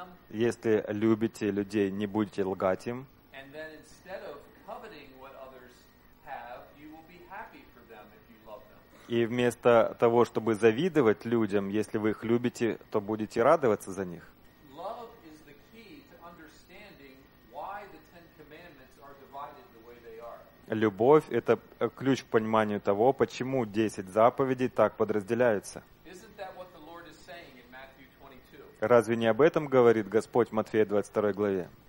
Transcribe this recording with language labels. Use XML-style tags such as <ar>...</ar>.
<ru>если любите людей, не будете лгать им.</ru> <en>And then instead of coveting what others have, you will be happy for them if you love them.</en> <ru>И вместо того, чтобы завидовать людям, если вы их любите, то будете радоваться за них.</ru> <en>Love is the key to understanding why the Ten Commandments are divided the way they are.</en> <ru>Любовь — это ключ к пониманию того, почему 10 заповедей так подразделяются.</ru> <en>Isn't that what the Lord is saying in Matthew 22?</en> <ru>Разве не об этом говорит Господь в Матфея 22 главе?</ru>